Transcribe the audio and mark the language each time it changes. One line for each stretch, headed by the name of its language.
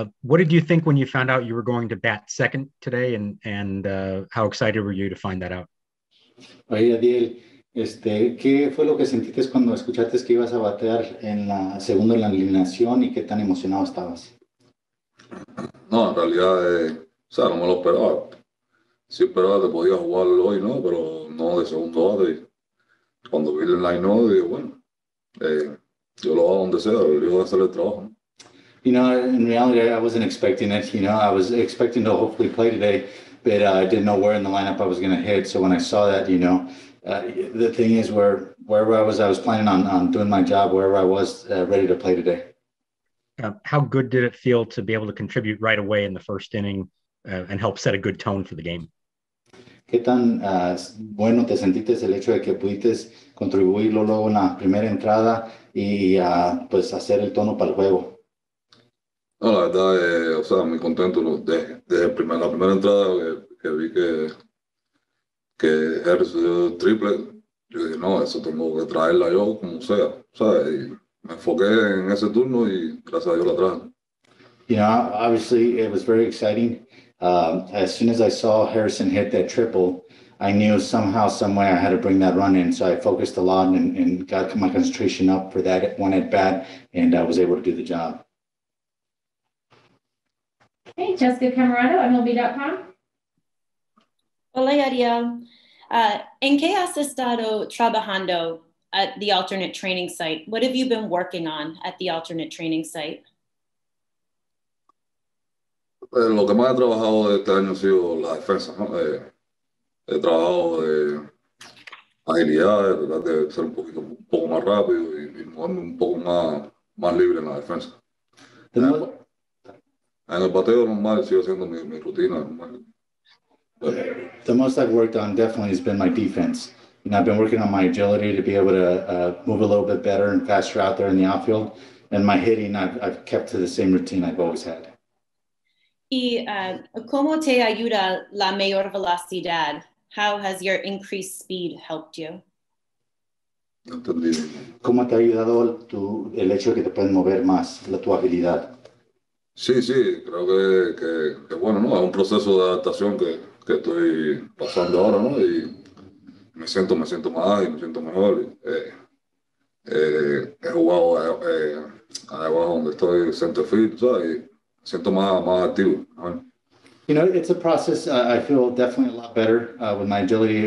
English: What did you think when you found out you were going to bat second today, and how excited were you to find that out?
Spanish: Oye, Adiel, ¿qué fue lo que sentiste cuando escuchaste que ibas a batear en la segunda en la alineación y qué tan emocionado estabas? No, en realidad, o sea, no me lo esperaba. Sí esperaba que podía jugarlo hoy, ¿no? Pero no de segundo base. Cuando vi el line-up, dije, bueno, yo lo hago donde sea, yo voy a hacer el trabajo, ¿no?
English: You know, in reality, I wasn't expecting it. You know, I was expecting to hopefully play today, but I didn't know where in the lineup I was going to hit. So when I saw that, you know, the thing is, wherever I was planning on doing my job, wherever I was ready to play today. How good did it feel to be able to contribute right away in the first inning and help set a good tone for the game?
Spanish: ¿Qué tan bueno te sentiste el hecho de que pudiste contribuir luego en la primera entrada y pues hacer el tono para el juego? No, la verdad, o sea, muy contento desde la primera entrada que vi que él recibió triple. Yo dije, no, eso tengo que traerla yo, como sea, ¿sabes? Me enfoqué en ese turno y gracias a Dios la traje.
English: You know, obviously it was very exciting. As soon as I saw Harrison hit that triple, I knew somehow, some way I had to bring that run in. So I focused a lot and got my concentration up for that one at bat, and I was able to do the job. Hey, Jessica Camerato, MLB.com.
Spanish: Hola, Yadiel. ¿En qué has estado trabajando
English: at the alternate training site? What have you been working on at the alternate training site?
Spanish: Lo que más he trabajado este año ha sido la defensa, ¿no? He trabajado de agilidad, de ser un poco más rápido y moverme un poco más libre en la defensa. En el bateo normal sigo haciendo mi rutina normal.
English: The most I've worked on definitely has been my defense. And I've been working on my agility to be able to move a little bit better and faster out there in the outfield. And my hitting, I've kept to the same routine I've always had.
Spanish: Y ¿cómo te ayuda la mayor velocidad?
English: How has your increased speed helped you?
Spanish: Entendido. ¿Cómo te ha ayudado el hecho de que te puedes mover más, tu habilidad? Sí, creo que bueno, ¿no? Es un proceso de adaptación que estoy pasando ahora, ¿no? Y me siento más ágil, me siento mejor. He jugado allá abajo donde estoy, center field, ¿sabes? Y siento más activo, ¿no?
English: You know, it's a process. I feel definitely a lot better with my agility.